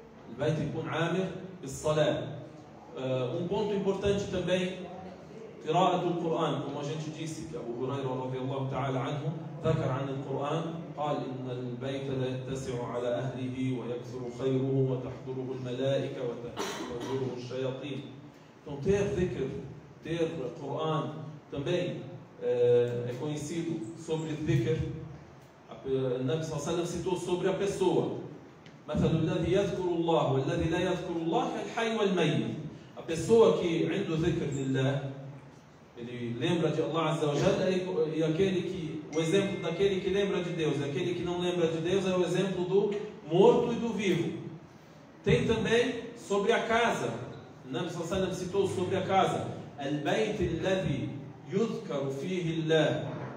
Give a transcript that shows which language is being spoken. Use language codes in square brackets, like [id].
[ar] Al-Bayt ikun amir bis-salat. [pt] Um ponto importante também, [ar] qira'at al-Qur'an, [pt] como a gente disse, que [ar] Abu Hurairah radiyallahu ta'ala anhu, dhakar 'an al-Qur'an, قال إن البيت لا يتسع على أهله ويكثر خيره وتحضره الملائكة وتحضره الشياطين. [pt] Então ter dhikr, ter Quran, também é conhecido sobre dhikr. Nabi صلى الله عليه وسلم citou sobre a pessoa. [ar] مثل الذي يذكر الله والذي لا يذكر الله الحي والميت. [pt] A pessoa que [ar] عنده [pt] dhikr لله, ele lembra de Allah عز وجل, e aquele que o exemplo daquele que lembra de Deus, aquele que não lembra de Deus, é o exemplo do morto e do vivo. Tem também sobre a casa. Nabi sallallahu alaihi wasallam citou sobre a casa: [ar] al-bayt alladhi yuzkaru fihi Allah.